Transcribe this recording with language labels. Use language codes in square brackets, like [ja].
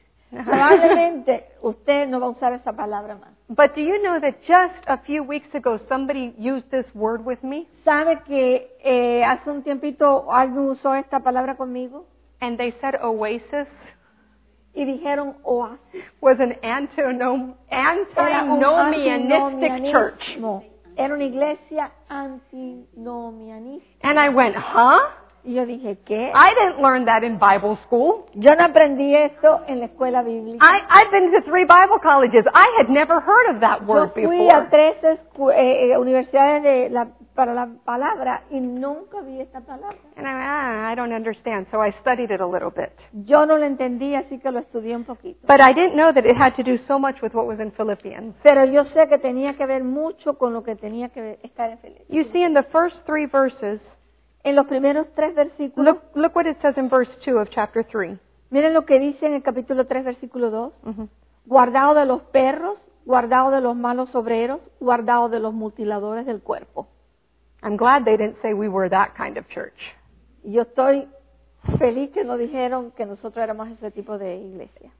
[es] Probablemente usted no va a usar esa palabra más. [en] But do you know that just a few weeks ago somebody used this word with me? [es] ¿Sabe que hace un tiempito alguien usó esta palabra conmigo? [en] And they said oasis. [es] Y dijeron, oh, [en] was an antinomianistic church. [es] Era una iglesia antinomianista. [en] And I went, huh? [es] Y yo dije, ¿qué? [en] I didn't learn that in Bible school. [es] Yo no aprendí eso en la escuela bíblica. [en] I've been to 3 Bible colleges. I had never heard of that word before. [es] Yo fui a 3 universidades para la palabra y nunca vi esta palabra. [en] And I don't understand, so I studied it a little bit. [es] Yo no lo entendí, así que lo estudié un poquito. [en] But I didn't know that it had to do so much with what was in Philippians. [es] Pero yo sé que tenía que ver mucho con lo que tenía que estar en Filipenses. [en] You see, in the first 3 verses, [es] en los primeros 3 versículos, [en] look what it says in verse 2 of chapter 3. [es] Miren lo que dice en el capítulo 3, versículo 2. Guardado de los perros, guardado de los malos obreros, guardado de los mutiladores del cuerpo. [en] I'm glad they didn't say we were that kind of church. [es] Yo estoy feliz que no dijeron que nosotros éramos ese tipo de iglesia.